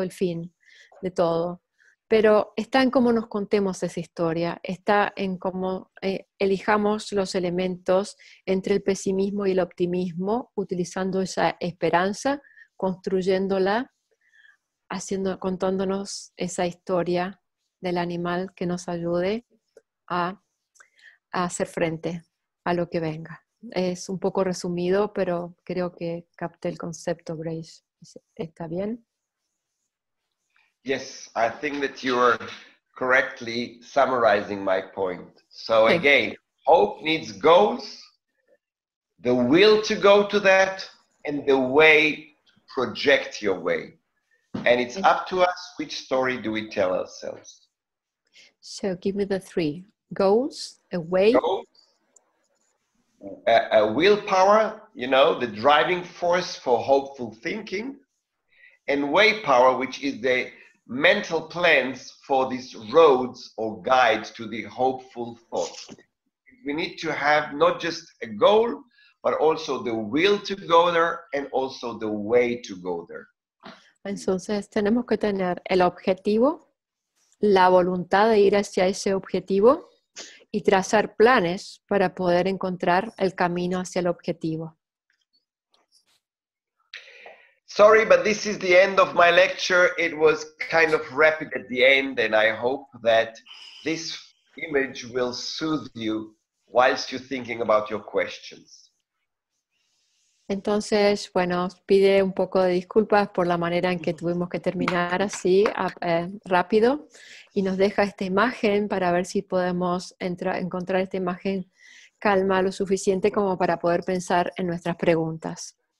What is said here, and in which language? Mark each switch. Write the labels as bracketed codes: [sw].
[es] El fin de todo. Pero está en cómo nos contemos esa historia, está en cómo elijamos los elementos entre el pesimismo y el optimismo, utilizando esa esperanza, construyéndola, contándonos esa historia del animal que nos ayude a hacer frente a lo que venga. Es un poco resumido, pero creo que capté el concepto, Grace. ¿Está bien? [en] Yes, I think that you are correctly summarizing my point. So again, hope needs goals, the will to go to that, and the way to project your way. And it's up to us, which story do we tell ourselves? So give me the three. Goals, a way. A willpower, you know, the driving force for hopeful thinking, and way power, which is the mental plans for these roads or guides to the hopeful thought. We need to have not just a goal, but also the will to go there and also the way to go there. [es] Entonces, tenemos que tener el objetivo, la voluntad de ir hacia ese objetivo y trazar planes para poder encontrar el camino hacia el objetivo. [en] Sorry, but this is the end of my lecture. It was kind of rapid at the end, and I hope that this image will soothe you whilst you're thinking about your questions. [es] Entonces, bueno, pide un poco de disculpas por la manera en que tuvimos que terminar así rápido, y nos deja esta imagen para ver si podemos encontrar esta imagen calma lo suficiente como para poder pensar en nuestras preguntas.